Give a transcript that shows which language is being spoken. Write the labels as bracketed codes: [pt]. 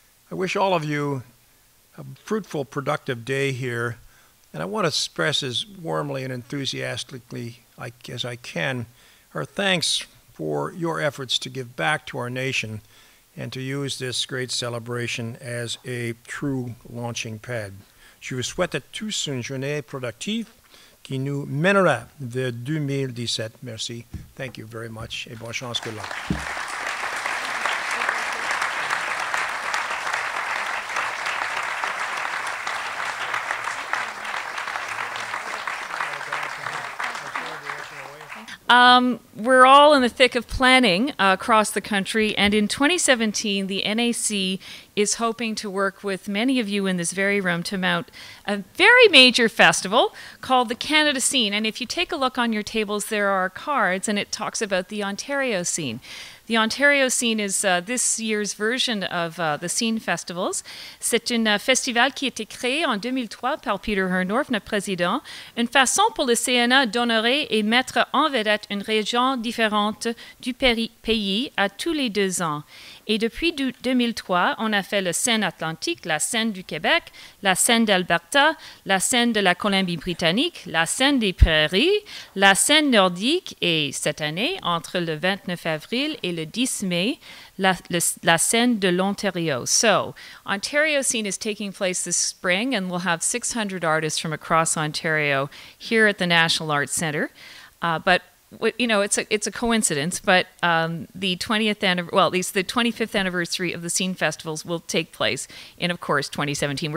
[en] I wish all of you a fruitful, productive day here, and I want to express as warmly and enthusiastically as I can our thanks for your efforts to give back to our nation and to use this great celebration as a true launching pad. [fr] Je vous souhaite à tous une journée productive qui nous mènera vers 2017. Merci. [en] Thank you very much. [fr] Et bonne chance. [en] Good luck. We're all in the thick of planning across the country, and in 2017, the NAC is hoping to work with many of you in this very room to mount a very major festival called the Canada Scene. And if you take a look on your tables, there are cards, and it talks about the Ontario Scene. The Ontario Scene is this year's version of the Scene Festivals. [fr] C'est un festival qui a été créé en 2003 par Peter Herndorf, notre président, une façon pour le CNA d'honorer et mettre en vedette une région différente du pays à tous les deux ans. Et depuis 2003, on a fait la scène atlantique, la scène du Québec, la scène d'Alberta, la scène de la Colombie-Britannique, la scène des prairies, la scène nordique et cette année, entre le 29 avril et le 10 mai, la scène de l'Ontario. [en] So, Ontario Scene is taking place this spring and we'll have 600 artists from across Ontario here at the National Arts Centre. But you know, it's a coincidence, but the 25th anniversary of the Scene Festivals will take place in, of course, 2017.